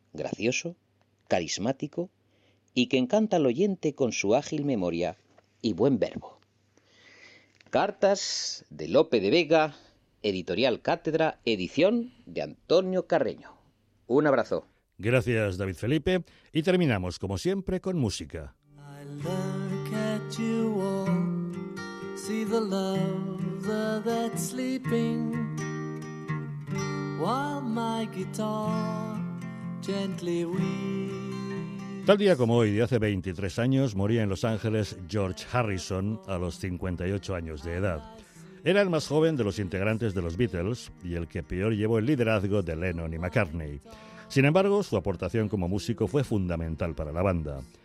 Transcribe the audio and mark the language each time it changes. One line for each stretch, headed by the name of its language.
Spanish: Gracioso, carismático y que encanta al oyente con su ágil memoria y buen verbo. Cartas de Lope de Vega, Editorial Cátedra, edición de Antonio Carreño. Un abrazo. Gracias, David Felipe. Y terminamos, como siempre, con música.
English: I look at you all, see the love that's sleeping, while my guitar gently weeps.
Spanish: Tal día como hoy, de hace 23 años, moría en Los Ángeles George Harrison a los 58 años de edad. Era el más joven de los integrantes de los Beatles y el que peor llevó el liderazgo de Lennon y McCartney. Sin embargo, su aportación como músico fue fundamental para la banda.